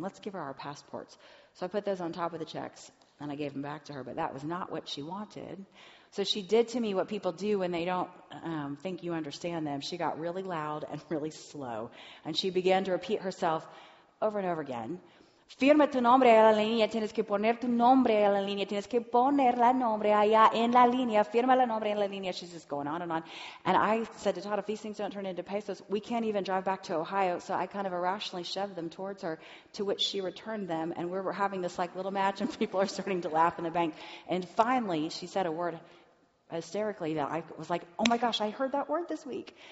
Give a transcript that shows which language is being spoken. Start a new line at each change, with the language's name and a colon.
English: Let's give her our passports. So I put those on top of the checks, and I gave them back to her. But that was not what she wanted. So she did to me what people do when they don't think you understand them. She got really loud and really slow. And she began to repeat herself over and over again.
Spanish: Firma tu nombre a la línea, tienes que poner tu nombre a la línea, tienes que poner la nombre allá en la línea, firma la nombre en la línea.
English: She's just going on and on. And I said to Todd, if these things don't turn into pesos, we can't even drive back to Ohio. So I kind of irrationally shoved them towards her, to which she returned them. And we were having this like little match and people are starting to laugh in the bank. And finally, she said a word hysterically that I was like, oh my gosh, I heard that word this week.